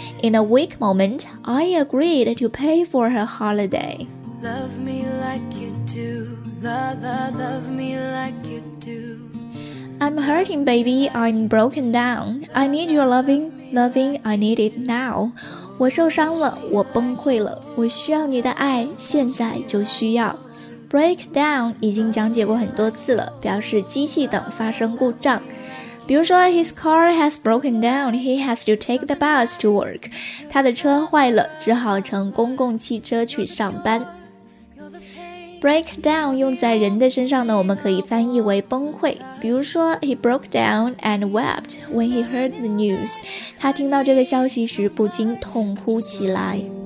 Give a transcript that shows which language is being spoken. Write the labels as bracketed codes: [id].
[en] In a weak moment, I agreed to pay for her holiday. Love me like you do, love me like you do. I'm hurting, baby, I'm broken down. I need your loving, I need it now. [zh] 我受伤了，我崩溃了，我需要你的爱，现在就需要。 Break down 已经讲解过很多次了，表示机器等发生故障。比如说 [en] ，His car has broken down. He has to take the bus to work. [zh] 他的车坏了，只好乘公共汽车去上班。 Break down 用在人的身上呢，我们可以翻译为崩溃。比如说 [en] ，He broke down and wept when he heard the news. [zh] 他听到这个消息时不禁痛哭起来。